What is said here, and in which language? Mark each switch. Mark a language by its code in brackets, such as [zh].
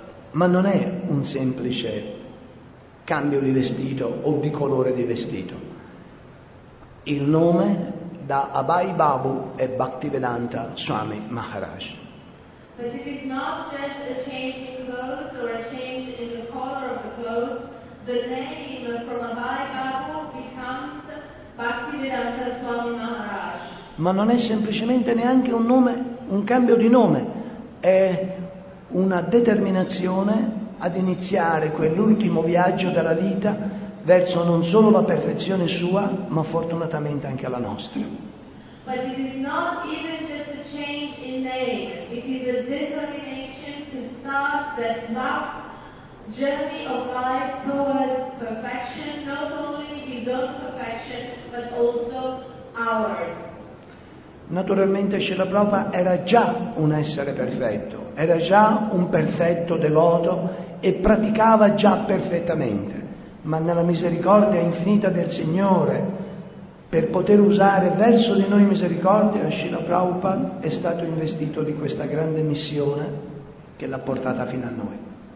[it] ma non è un semplice cambio di vestito o di colore di vestito. Il nome da Abai Babu è Bhaktivedanta Swami Maharaj. [en] But it is not just a change in clothes or a change in the color of the clothes. The name from Abai Babu becomes Bhaktivedanta Swami Maharaj. [it] Ma non è semplicemente neanche un nome, un cambio di nome. È una determinazione ad iniziare quell'ultimo viaggio della vita verso non solo la perfezione sua, ma fortunatamente anche la nostra. [en] But it is not even just a change in name, it is a determination to start that last journey of life towards perfection, not only his own perfection, but also ours. [it] Naturalmente Srila Prabhupada era già un essere perfetto, era già un perfetto devoto e praticava già perfettamente, ma nella misericordia infinita del Signore, per poter usare verso di noi misericordia, Srila Prabhupada è stato investito di questa grande missione che l'ha portata fino a noi.